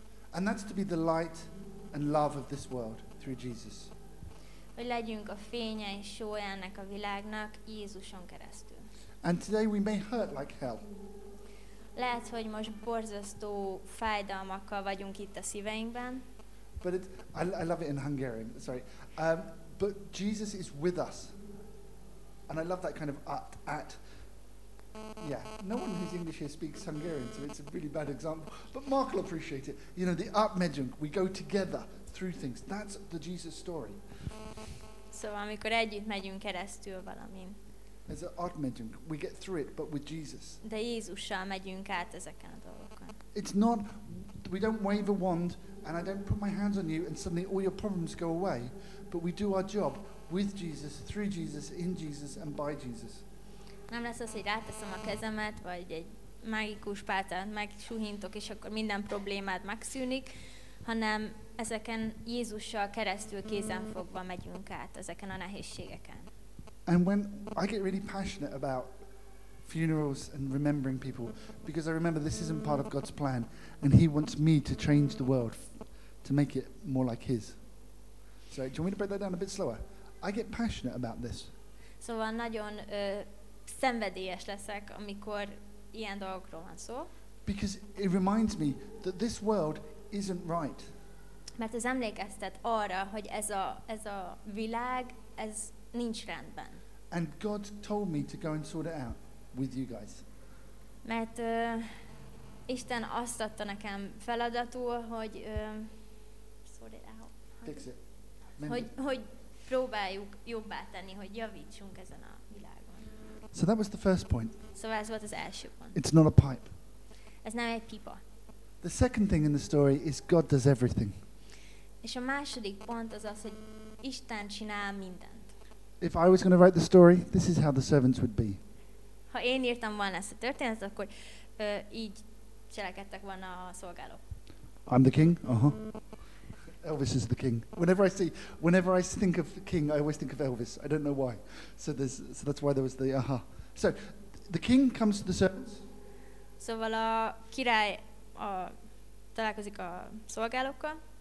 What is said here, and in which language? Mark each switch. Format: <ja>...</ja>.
<en>And that's to be the light and love of this world through Jesus.</en> <hu>Hogy legyünk a fénye és sója ennek a világnak Jézuson keresztül.</hu> <en>And today we may hurt like hell.</en> <hu>Lehet, hogy most borzasztó fájdalmakkal vagyunk itt a szíveinkben.</hu> <en>But I love it in Hungarian. Sorry. But Jesus is with us. And I love that kind of at. Yeah. No one who's English here speaks Hungarian, so it's a really bad example. But Mark will appreciate it. You know, the</en> <hu>at medjunk.</hu> <en>We go together through things. That's the Jesus story.</en> <hu>Szóval, amikor együtt megyünk keresztül valamin.</hu> <en>It's an odd mention. We get through it, but with Jesus.</en> <hu>De Jézussal megyünk át ezeken a dolgokon.</hu> <en>It's not, we don't wave a wand, and I don't put my hands on you, and suddenly all your problems go away. But we do our job with Jesus, through Jesus, in Jesus, and by Jesus.</en> <hu>Nem lesz az, hogy ráteszem a kezemet, vagy egy mágikus pátát megsuhintok, és akkor minden problémád megszűnik, hanem ezeken Jézussal keresztül kézenfogva megyünk át ezeken a nehézségeken.</hu> <en>And when I get really passionate about funerals and remembering people, because I remember this isn't part of God's plan, and He wants me to change the world, to make it more like His. So, do you want me to break that down a bit slower? I get passionate about this.</en> <hu>Szóval nagyon szenvedélyes leszek, amikor ilyen dolgokról van szó.</hu> <en>Because it reminds me that this world isn't right.</en> <hu>Mert az emlékeztet arra, hogy ez a világ, ez nincs rendben.</hu> <en>And God told me to go and sort it out with you guys.</en> <hu>Mert Isten azt adta nekem feladatul, hogy</hu> <en>sort it out. Fix it.</en> <hu>Hogy próbáljuk jobbá tenni, hogy javítsunk ezen a világon.</hu> <en>So that was the first point.</en> <hu>Szóval ez volt az első pont.</hu> <en>It's not a pipe.</en> <hu>Ez nem egy pipa.</hu> <en>The second thing in the story is God does everything.</en> <hu>És a második pont az az, hogy Isten csinál mindent.</hu> <en>If I was going to write the story, this is how the servants would be.</en> <hu>Ha én írtam volna ezt a történetet, akkor így cselekedtek volna a szolgálók.</hu> <en>I'm the king? Elvis is the king. Whenever I think of the king, I always think of Elvis. I don't know why. So that's why there was the So the king comes to the servants.</en> <hu>Szóval a király találkozik a szolgálókkal.</hu>